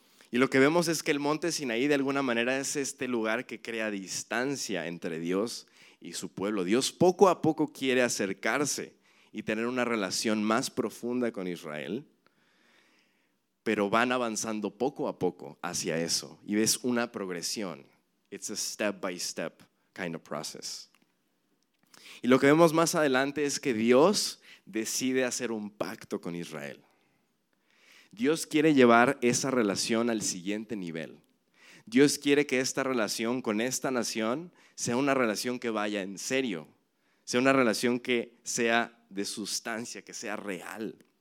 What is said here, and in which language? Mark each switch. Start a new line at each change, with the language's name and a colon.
Spanish: Y lo que vemos es que el monte Sinaí de alguna manera es este lugar que crea distancia entre Dios y su pueblo. Dios poco a poco quiere acercarse y tener una relación más profunda con Israel, pero van avanzando poco a poco hacia eso. Y ves una progresión.
English: It's a step by step kind of process.
Spanish: Y lo que vemos más adelante es que Dios decide hacer un pacto con Israel. Dios quiere llevar esa relación al siguiente nivel. Dios quiere que esta relación con esta nación sea una relación que vaya en serio, sea una relación que sea de sustancia, que sea real.